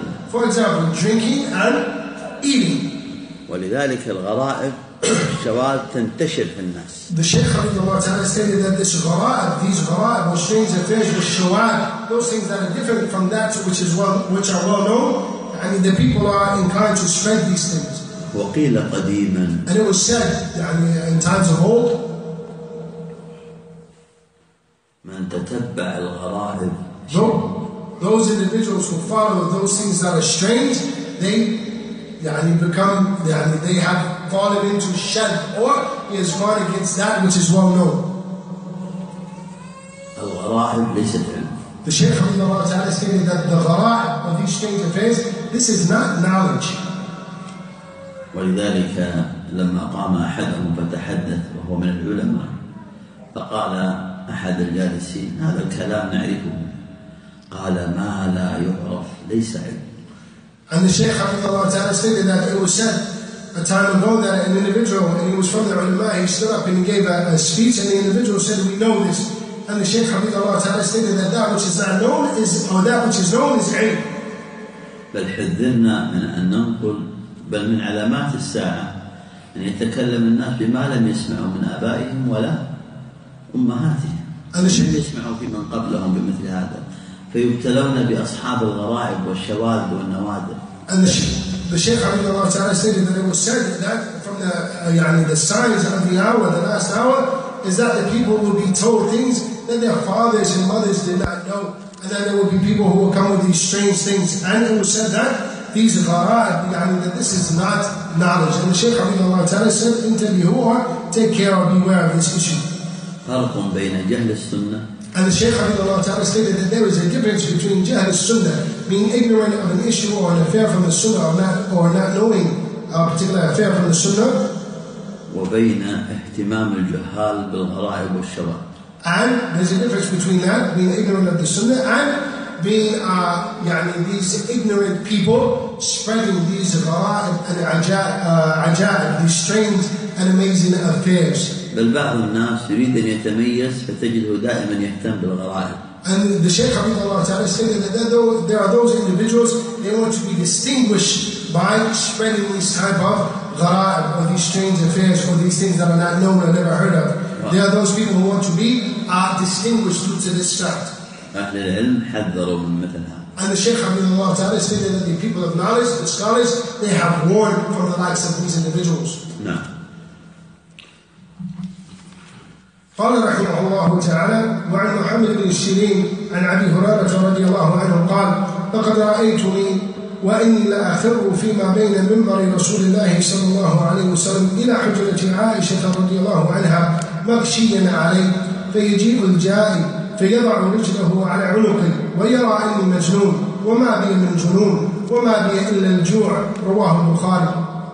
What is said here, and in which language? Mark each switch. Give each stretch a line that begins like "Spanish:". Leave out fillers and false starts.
English: For example, drinking and eating.
Arabic: ولذلك الغرائب الشوال تنتشر في الناس.
English: The Shaykh Habibullah Ta'ala stated that these gharaib or strange affairs with shawal, those things that are different from that which are well known, I mean the people are inclined to spread these things.
Arabic: وقيل قديما.
English: And it was said,
Arabic: يعني
English: in times of old.
Arabic: من تتبع الغرائب.
English: No, those individuals who follow those things that are strange, they,
Arabic: يعني
English: become, يعني they have fallen into shadd, or he has gone against that which is well known.
Arabic: الغرائب ليست علم.
English: The Shaykh of Allah Ta'ala stated that the gharah of these strange affairs, this is not knowledge.
Arabic: ولذلك لما قام أحدهم فتحدث وهو من العلماء فقال أحد الجالسين هذا الكلام نعرفه قال ما لا يعرف ليس علم.
English: And the Shaykh of Allah Ta'ala stated that it was said a time ago that an individual, and he was from the ulama, he stood up and he gave a speech, and the individual said, we know this. And the Shaykh Hafidhullah Ta'ala stated that that which is not known is, or that which is known is ilm.
Arabic: بل حذرنا من أن ننقل بل من علامات الساعة أن يتكلم الناس بما لم يسمعوا من آبائهم ولا أمهاتهم. لم يسمعوا في من قبلهم بمثل هذا. فيبتلون بأصحاب الغرائب والشواذ والنوادر.
English: And the Shaykh Hafidhullah Ta'ala stated that it was said that from the, يعني the signs of the hour, the last hour, is that the people will be told things that their fathers and mothers did not know, and that there will be people who will come with these strange things. And it was said that these gharaib, that this is not knowledge. And the Shaykh Hafidhullah Ta'ala said, intabihu, or take care or beware of this issue. And the Shaykh Hafidhullah Ta'ala stated that there is a difference between jahl sunnah, being ignorant of an issue or an affair from the sunnah, or not knowing a particular affair from the sunnah,
Arabic: وبين اهتمام الجهال بالغرائب والشواذ.
English: And there's a difference between that, being ignorant of the sunnah, and being these ignorant people spreading these غرائب and عجائب, these strange and amazing affairs.
Arabic: بل بعض الناس يريد أن يتميز فتجده دائما يهتم بالغرائب.
English: And the Shaykh
Arabic: رحمه الله تعالى
English: stated that there are those individuals, they want to be distinguished by spreading these type of غرائب, or these strange affairs, or these things that are not known or never heard of. There are those people who want to be distinguished due to this fact.
Arabic: أهل العلم حذروا من مثل هذا.
English: And the Shaykh
Arabic: رحمه الله تعالى
English: stated that the people of knowledge, the scholars, they have warned from the likes of these individuals.
Arabic: قال رحمه الله تعالى وعن محمد بن الشيرين عن أبي هريرة رضي الله عنه قال لقد رأيتني وإني لأخر فيما بين منبر رسول الله صلى الله عليه وسلم إلى حجرة عائشة رضي الله عنها مغشيا عليه فيجيء الجائي فيضع رجله على عنقي ويرى أني مجنون وما بي من جنون وما بي إلا الجوع رواه البخاري.